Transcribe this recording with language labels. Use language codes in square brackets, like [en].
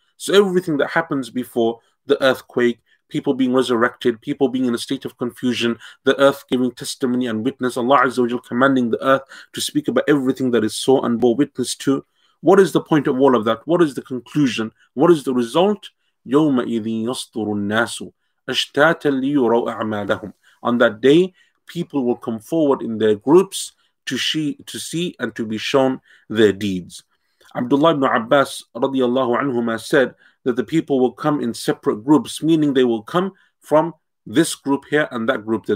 [en] So everything that happens before the earthquake, people being resurrected, people being in a state of confusion, the earth giving testimony and witness, Allah Azza wa Jalla commanding the earth to speak about everything that it saw and bore witness to. What is the point of all of that? What is the conclusion? What is the result? [ar] يومئذ يصدر الناس أشتاتا ليروا أعمالهم. [en] On that day, people will come forward in their groups to see and to be shown their deeds. Abdullah ibn Abbas radiallahu anhuma said that the people will come in separate groups, meaning they will come from this group here and that group there.